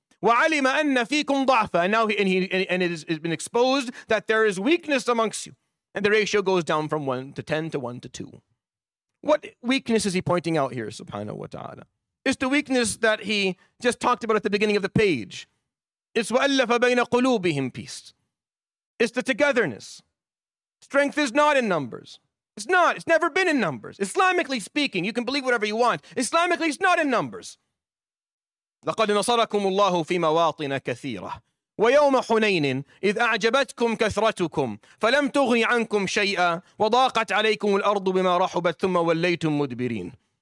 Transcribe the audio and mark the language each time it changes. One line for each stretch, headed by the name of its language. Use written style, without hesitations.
Arabic: وعلم أن فيكم ضعفا.
English: And now it has been exposed that there is weakness amongst you. And the ratio goes down from 1 to 10 to 1 to 2. What weakness is he pointing out here, subhanahu wa ta'ala? It's the weakness that he just talked about at the beginning of the page. It's
Arabic: وَأَلَّفَ بَيْنَ قُلُوبِهِمْ
English: peace. It's the togetherness. Strength is not in numbers. It's not. It's never been in numbers. Islamically speaking, you can believe whatever you want. Islamically, it's not in numbers.
Arabic: لَقَدْ نَصَرَكُمُ اللَّهُ فِي مَوَاطِنَ كَثِيرَةٍ وَيَوْمَ حُنَيْنٍ إِذْ أَعْجَبَتْكُمْ كَثْرَتُكُمْ فَلَمْ تُغْنِ عَنْكُمْ شَيْئًا وَضَاقَتْ عَلَيْكُمُ الْأَرْضُ بِمَا رَحُبَتْ ثُمَّ وَلَّيْتُمْ مُدْبِرِينَ.